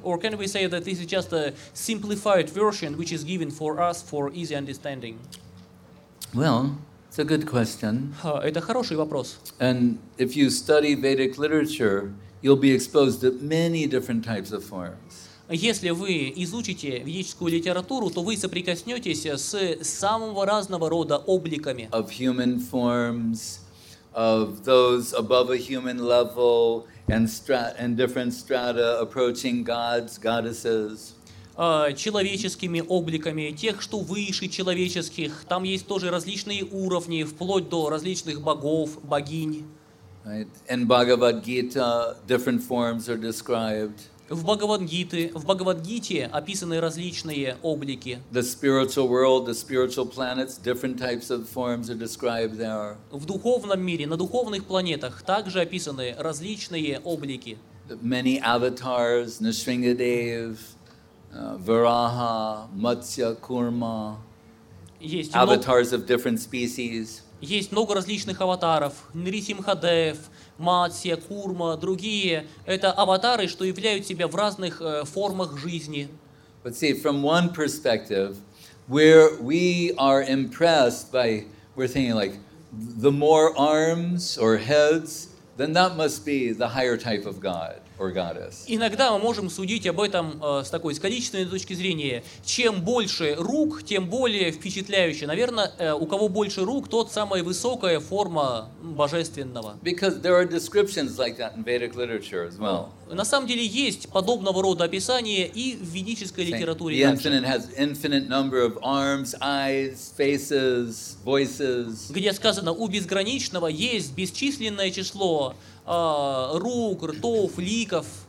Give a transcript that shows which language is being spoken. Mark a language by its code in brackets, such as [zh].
[en] Or can we say that this is just a simplified version, which is given for us for easy understanding? Well, it's a good question. [ru] Это хороший вопрос. [en] And if you study Vedic literature, you'll be exposed to many different types of forms. [ru] Если вы изучите ведическую литературу, то вы соприкоснетесь с самого разного рода обликами. [en] Of human forms, of those above a human level, and different strata approaching gods, goddesses. [ru] Человеческими обликами, тех, что выше человеческих. Там есть тоже различные уровни, вплоть до различных богов, богинь. [en] Right. In Bhagavad Gita, different forms are described. [ru] В Бхагавад-гите, описаны различные облики. [en] The spiritual world, the spiritual planets, different types of forms are described there. [ru] В духовном мире, на духовных планетах также описаны различные облики. [en] Many avatars, Нисрингадев, Вараха, Матсья, Курма. Avatars of different species. [ru] Есть много различных аватаров. Нрисимхадев, Матсья, Курма, другие. Это аватары, что являют себя в разных формах жизни. [en] But see, from one perspective, where we are impressed by, we're thinking like, the more arms or heads, then that must be the higher type of God. [ru] Иногда мы можем судить об этом с такой количественной точки зрения. Чем больше рук, тем более впечатляюще. Наверное, у кого больше рук, тот самая высокая форма божественного. [en] Because there are descriptions like that in Vedic literature as well. [ru] На самом деле есть подобного рода описания и в ведической литературе. [en] The infinite has infinite number of arms, eyes, faces, voices. [ru] Где сказано, у безграничного есть бесчисленное число рук, ртов, ликов.